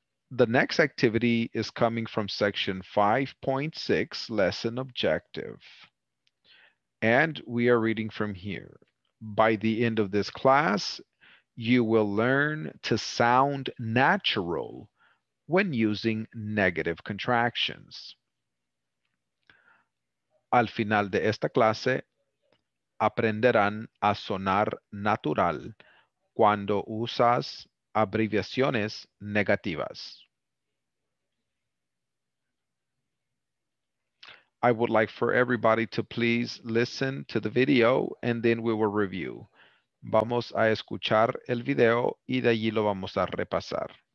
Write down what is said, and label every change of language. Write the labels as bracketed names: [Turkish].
[English] The next activity is coming from section 5.6, lesson objective. And we are reading from here. By the end of this class, you will learn to sound natural when using negative contractions. [Spanish] Al final de esta clase, aprenderán a sonar natural cuando usas abreviaciones negativas. [English] I would like for everybody to please listen to the video and then we will review. [Spanish] Vamos a escuchar el video y de allí lo vamos a repasar.